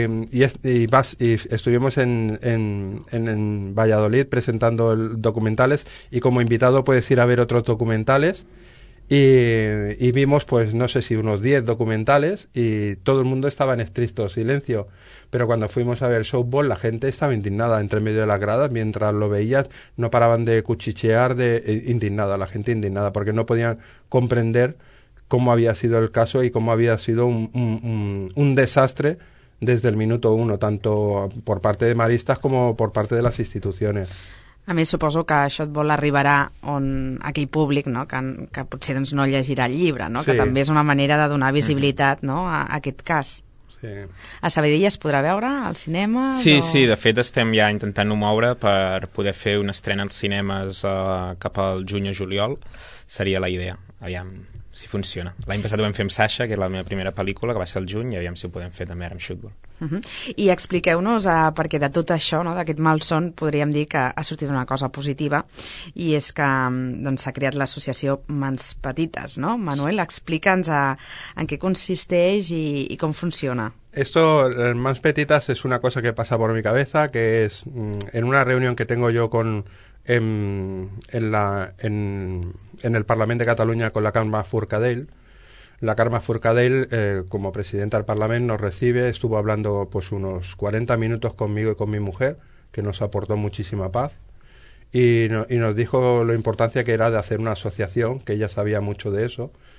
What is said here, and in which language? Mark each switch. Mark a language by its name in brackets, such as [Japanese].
[Spanish] Y estuvimos en Valladolid presentando documentales, y como invitado puedes ir a ver otros documentales, y vimos, pues no sé si unos 10 documentales, y todo el mundo estaba en estricto silencio, pero cuando fuimos a ver softball la gente estaba indignada entre medio de las gradas, mientras lo veías no paraban de cuchichear, la gente indignada, porque no podían comprender cómo había sido el caso y cómo había sido un desastre desde el minuto uno, tanto por parte de Maristas como por parte de las instituciones. [Catalan] A més, suposo que això et vol arribarà on aquell públic, no?, que potser doncs, no llegirà el llibre, no?, sí. Que també és una manera de donar visibilitat, no?, a aquest cas. Sí. A Sabadell es podrà veure al cinema? Sí, de fet estem ja intentant-ho moure per poder fer una estrena als cinemes cap al juny o juliol, seria la idea, aviam si funciona. L'any passat ho vam fer amb Sasha, que és la meva primera pel·lícula, que va ser el juny, i aviam si ho podem fer també ara amb Shootball. I expliqueu-nos, perquè de tot això, no, d'aquest malson, podríem dir que ha sortit una cosa positiva, i és que doncs, s'ha creat l'associació Mans Petites, no? Manuel, explica'ns en què consisteix i com funciona. [Spanish] Esto, Mans Petites, es una cosa que pasa por mi cabeza, que es en una reunión que tengo yo con en el Parlament de Catalunya con la Carme Forcadell. La Carme Forcadell, como presidenta del Parlament, nos recibe, estuvo hablando pues unos 40 minutos conmigo y con mi mujer, que nos aportó muchísima paz, y nos dijo lo importante que era de hacer una asociación, que ella sabía mucho de eso,